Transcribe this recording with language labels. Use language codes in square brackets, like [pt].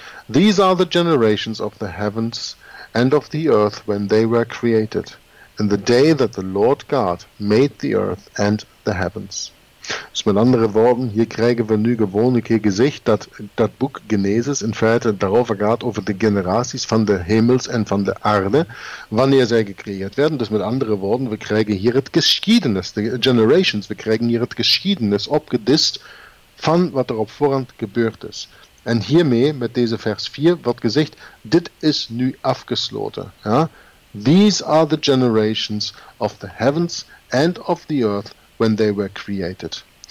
[en] These are the generations of the heavens and of the earth when they were created, in the day that the Lord God made the earth and the heavens. [nl] Dus met andere woorden, hier krijgen we nu gewoon een keer gezegd dat dat boek Genesis in feite daarover gaat over de generaties van de hemels en van de aarde, wanneer zij gecreëerd werden. Dus met andere woorden, we krijgen hier het geschiedenis, de generations, we krijgen hier het geschiedenis opgedist van wat er op voorhand gebeurd is. En hiermee, met deze vers 4, wordt gezegd, dit is nu afgesloten. Ja? [en] These are the generations of the heavens and of the earth when they were created.